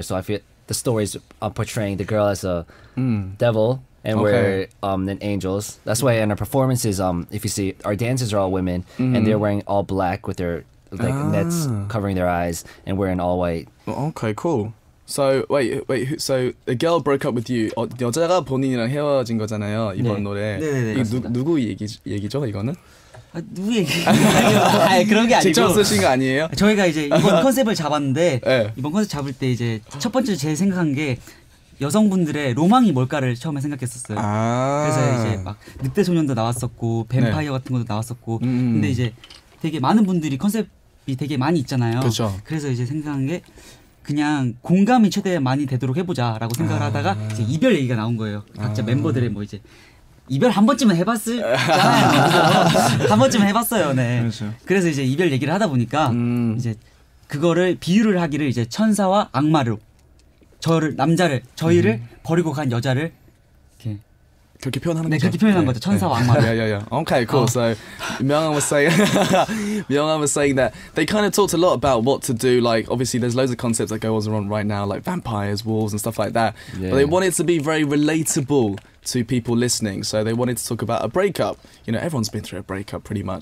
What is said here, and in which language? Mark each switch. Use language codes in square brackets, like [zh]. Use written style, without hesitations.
[en] So I feel the stories are portraying the girl as a devil and okay. we're then angels. That's why in our performances, if you see, our dancers are all women and they're wearing all black with their like nets covering their eyes and wearing all white. Okay, cool. So, wait. So, the girl broke up with you. [ko] 여자가 본인이랑 헤어진 거잖아요, 이번 네. 노래. 네. 누구 얘기죠, 이거는? 아, 누구 얘기예요? 아, 그런 게 아니고 직접 쓰신 거 아니에요? 저희가 이제 이번 컨셉을 잡았는데 네. 이번 컨셉 잡을 때 이제 첫 번째 제일 생각한 게 여성분들의 로망이 뭘까를 처음에 생각했었어요. 아~ 그래서 이제 막 늑대 소년도 나왔었고 뱀파이어 네. 같은 것도 나왔었고 근데 이제 되게 많은 분들이 컨셉이 되게 많이 있잖아요. 그쵸. 그래서 이제 생각한 게 그냥 공감이 최대한 많이 되도록 해보자라고 생각을 아~ 하다가 이제 이별 얘기가 나온 거예요. 각자 아~ 멤버들의 뭐 이제 이별 한 번쯤은 해봤을 한 번쯤은 해봤어요. 네. 그렇죠. 그래서 이제 이별 얘기를 하다 보니까 이제 그거를 비유를 하기를 이제 천사와 악마로 저를 남자를 저희를 버리고 간 여자를 이렇게 그렇게 표현하는 거죠. 네, 그렇게 표현한 거죠. 천사와 악마. [en] 야야야. Okay, cool. So, Myung was saying, Myung was saying that they kind of talked a lot about what to do. Like, obviously, there's loads of concepts that go on right now, like vampires, wolves, and stuff like that. Yeah. But they wanted to be very relatable to people listening. So they wanted to talk about a breakup. You know, everyone's been through a breakup pretty much.